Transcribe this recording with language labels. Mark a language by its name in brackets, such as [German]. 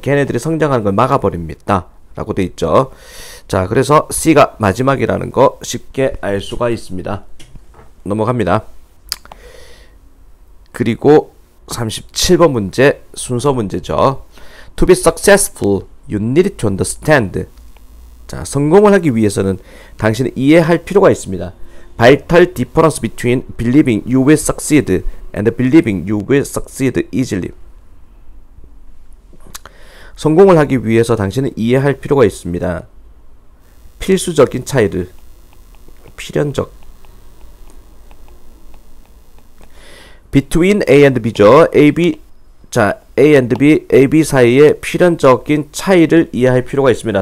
[Korean] 걔네들이 성장하는 걸 막아버립니다. 라고 돼 있죠. 자, 그래서 C가 마지막이라는 거 쉽게 알 수가 있습니다. 넘어갑니다. 그리고 37번 문제, 순서 문제죠. [English] To be successful, you need to understand. [Korean] 자, 성공을 하기 위해서는 당신은 이해할 필요가 있습니다. [English] Vital difference between believing you will succeed and believing you will succeed easily. [Korean] 성공을 하기 위해서 당신은 이해할 필요가 있습니다. 필수적인 차이를. 필연적. Between A and B죠. AB, 자, A and B, AB 사이의 필연적인 차이를 이해할 필요가 있습니다.